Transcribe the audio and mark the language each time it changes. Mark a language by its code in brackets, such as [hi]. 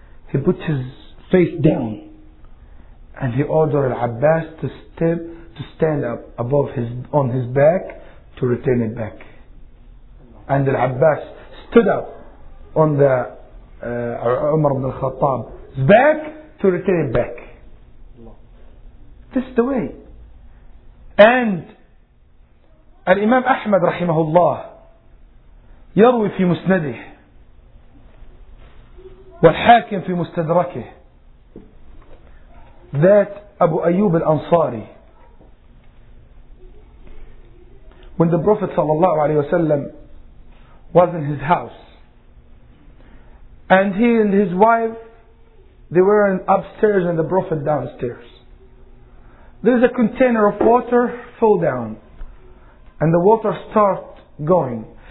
[en] He put his face down and he ordered Al-Abbas to stand up above his on his back to retain it back. And Al-Abbas stood up on the Umar ibn al-Khattab's back to retain it back. This is the way. And [ar] الإمام أحمد رحمه الله يروي في مسنده والحاكم في مستدركه ذات أبو أيوب الأنصاري. [en] When the Prophet صلى الله عليه وسلم was in his house and he and his wife, they were upstairs and the Prophet downstairs. There is a container of water fall down and the water start going.